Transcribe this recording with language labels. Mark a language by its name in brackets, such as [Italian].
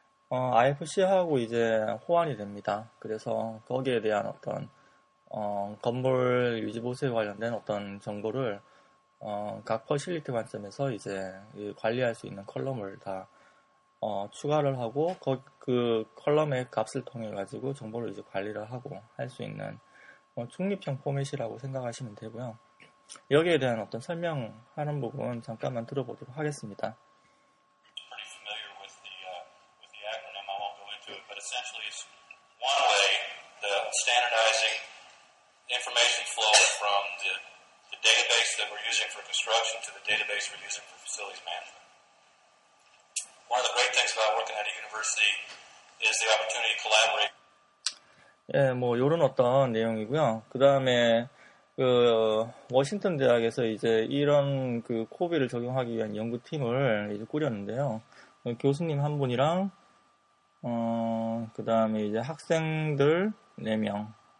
[Korean] IFC하고 이제 호환이 됩니다. 그래서 거기에 대한 어떤 건물 유지 보수에 관련된 어떤 정보를 각 퍼실리티 관점에서 이제 관리할 수 있는 컬럼을 다 추가를 하고 그 컬럼의 값을 통해 가지고 정보를 이제 관리를 하고 할 수 있는 중립형 포맷이라고 생각하시면 되고요. 여기에 대한 어떤 설명하는 부분 잠깐만 들어보도록 하겠습니다. [English] Pretty familiar with the acronym, I won't go into it, but essentially it's one way the standardizing information flow from the database that we're using for construction to the database we're using for facilities management. One of the great things about working at a university is the opportunity to collaborate. [Korean] 예, 뭐 요런 어떤 내용이고요. 그다음에 그 워싱턴 대학에서 이제 이런 그 코비를 적용하기 위한 연구팀을 이제 꾸렸는데요. 교수님 한 분이랑 그다음에 이제 학생들 네 명.